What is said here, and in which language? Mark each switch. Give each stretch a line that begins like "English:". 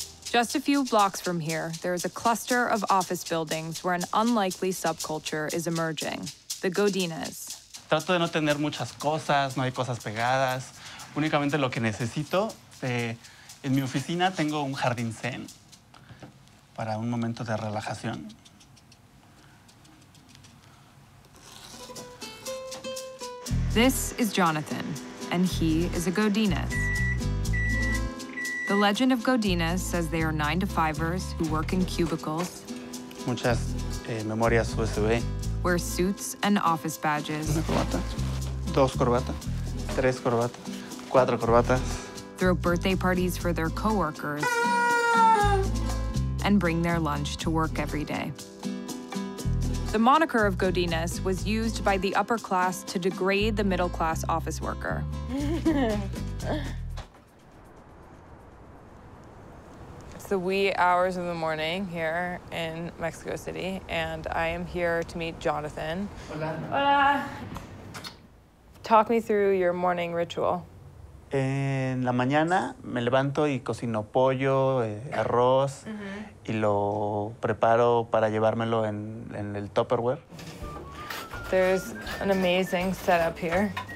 English: Just a few blocks from here, there is a cluster of office buildings where an unlikely subculture is emerging, the Godinez.
Spanish: Trato de no tener muchas cosas, no hay cosas pegadas. Únicamente lo que necesito, en mi oficina tengo un jardín zen para un momento de relajación.
English: This is Jonathan, and he is a Godinez. The legend of Godinez says they are 9-to-5ers who work in cubicles.
Spanish: Muchas memorias USB.
English: Wear suits and office badges.
Spanish: Una corbata. Dos corbatas. Tres corbatas. Cuatro corbatas.
English: Throw birthday parties for their coworkers. And bring their lunch to work every day. The moniker of Godinez was used by the upper class to degrade the middle class office worker. The wee hours of the morning here in Mexico City, and I am here to meet Jonathan.
Spanish: Hola.
English: Hola. Talk me through your morning ritual.
Spanish: En la mañana me levanto y cocino pollo, arroz, mm-hmm. Y lo preparo para llevármelo en el Tupperware.
English: There's an amazing setup here.